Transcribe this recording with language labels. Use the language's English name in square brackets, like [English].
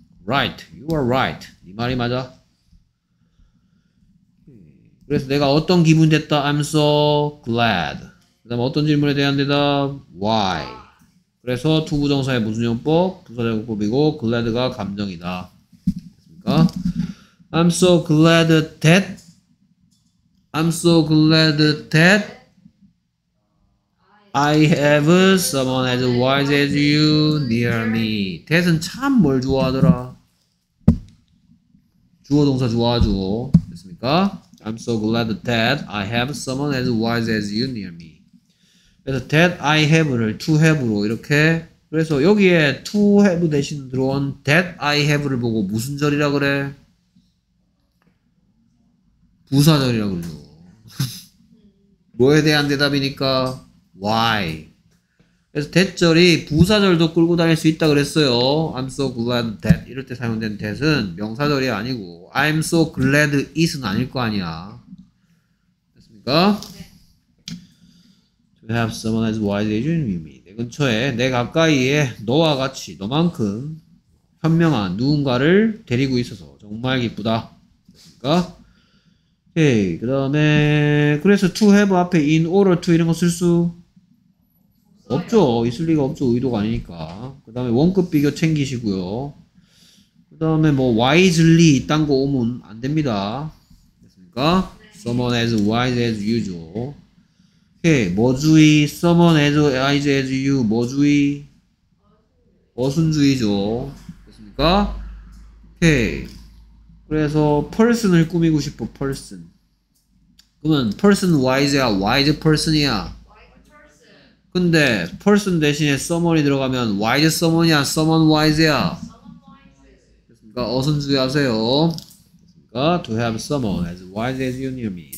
[English] Right, you are right [Korean] 네 말이 맞아. 그래서 내가 어떤 기분 됐다 [English] I'm so glad. [Korean] 그다음 어떤 질문에 대한 대답 why. 그래서 to 부정사의 무슨 용법? 부사적용법이고 glad가 감정이다. 됐습니까? [English] I'm so glad that I'm so glad that I have someone as wise as you near me. [Korean] That은 참 뭘 좋아하더라. 주어 동사 좋아하죠. 주어. 됐습니까? [English] I'm so glad that I have someone as wise as you near me. [Korean] 그래서 that I have를 to have로 이렇게 그래서 여기에 to have 대신 들어온 that I have를 보고 무슨 절이라 그래? 부사절이라 그러죠. 뭐에 대한 대답이니까 why. 그래서 that절이 부사절도 끌고 다닐 수 있다 그랬어요. [English] I'm so glad that [Korean] 이럴 때 사용된 that은 명사절이 아니고 [English] I'm so glad it [Korean] 은 아닐 거 아니야. 됐습니까? 네. [English] To have someone as wise as you mean. [Korean] 내 근처에 내 가까이에 너와 같이 너만큼 현명한 누군가를 데리고 있어서 정말 기쁘다. 됐습니까? 오케이. 그 다음에 그래서 to have 앞에 in order to 이런 거 쓸 수 없죠. 있을 리가 없죠. 의도가 아니니까. 그 다음에 원급 비교 챙기시고요. 그 다음에 뭐 wisely 딴 거 오면 안 됩니다. 됐습니까? 네. [English] Someone as wise as you죠. [Korean] 오케이. 뭐 주의? [English] Someone as wise as you. [Korean] 뭐 주의? 어순주의죠. 됐습니까? 오케이. 그래서 person을 꾸미고 싶어. person. 그러면 person wise야? wise person이야? 근데 person 대신에 someone이 들어가면 wise someone이야? someone wise야? 그러니까 어순주의하세요. 그러니까 [English] to have someone as wise as you near me.